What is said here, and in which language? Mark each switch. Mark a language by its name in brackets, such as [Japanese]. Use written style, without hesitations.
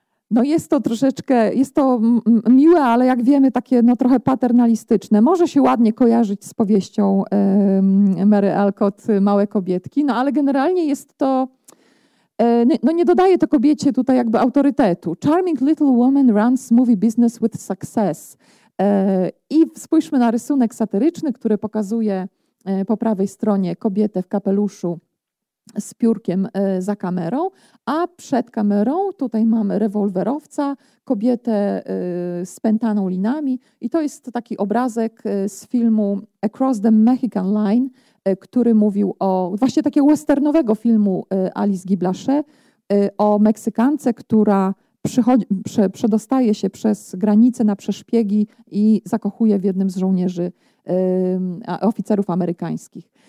[Polish] No jest to troszeczkę, jest to miłe, ale jak wiemy takie no trochę paternalistyczne. Może się ładnie kojarzyć z powieścią Mary Alcott, małe kobietki, no ale generalnie jest to, no nie dodaje to kobiecie tutaj jakby autorytetu. [English] Charming little woman runs movie business with success. [Polish] I spójrzmy na rysunek satyryczny, który pokazuje po prawej stronie kobietę w kapeluszu z piórkiem za kamerą, a przed kamerą tutaj mamy rewolwerowca, kobietę spętaną linami. I to jest taki obrazek z filmu Across the Mexican Line, który mówił o, właśnie takiego westernowego filmu Alice Guy Blaché, o Meksykance, która przedostaje się przez granicę na przeszpiegi i zakochuje w jednym z żołnierzy oficerów amerykańskich.